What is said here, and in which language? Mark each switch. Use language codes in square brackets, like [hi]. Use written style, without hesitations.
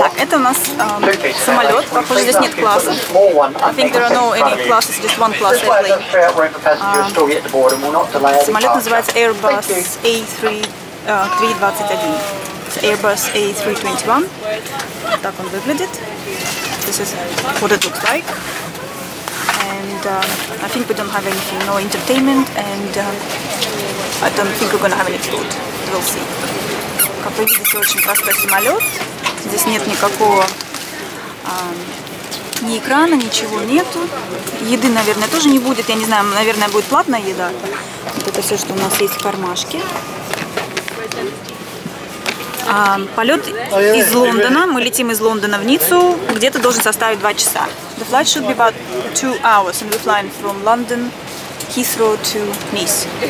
[ru] так, это у нас самолет, похоже, здесь нет класса. [en] I think there are no any classes, just one class only. [ru] Самолет называется Airbus A321. Airbus A321. Так он выглядит. [en] This is what it looks like. And I think we don't have anything, no entertainment, and I don't think we're gonna have any food. We'll see. [ru] Как вы видите, очень простой самолет. Здесь нет никакого ни экрана, ничего нету. Еды, наверное, тоже не будет. Я не знаю, наверное, будет платная еда. Вот это все, что у нас есть в кармашке. Полет из Лондона. Мы летим из Лондона в Ниццу. Где-то должен составить 2 часа. [en] The flight should be about 2 hours, and we're flying from London, Heathrow to Nice.